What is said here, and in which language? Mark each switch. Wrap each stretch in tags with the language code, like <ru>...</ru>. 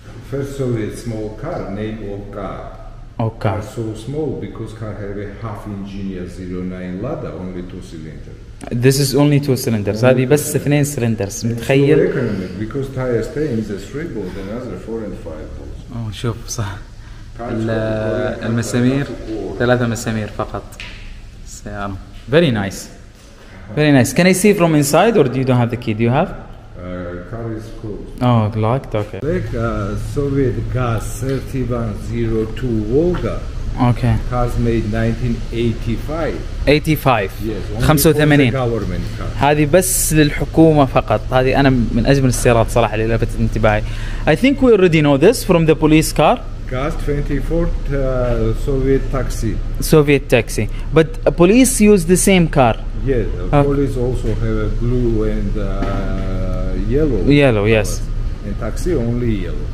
<en>First Soviet small car named Oka. Oh, car so small because car have a half engineer 09 Lada, only two cylinder. This is only two cylinders.</en> <ar>هذه بس اثنين سلندرز. متخيل؟</ar> <en>So economic because tire stay is a three bolt, another four and five bolts. Oh,</en> <ar>شوف صح. المسامير ثلاثة مسامير فقط. سيارة.</ar> <en>Very nice. Very nice. Can I see from inside or do you don't have the key? Do you have? Car is closed. Oh, locked. Okay. Like Soviet gas 3102 Volga. Okay. Cars made 1985. 85. Yes. 85.</en> <ar>هذه بس للحكومة فقط. هذه أنا من أجمل السيارات صراحة اللي لفت انتباهي.</ar> <en>I think we already know this from the police car. Cars 24 Soviet taxi. Soviet taxi. But police use the same car. Yes. Okay. Police also have a blue and yellow. Yellow. Colors. Yes. And taxi only yellow.</en>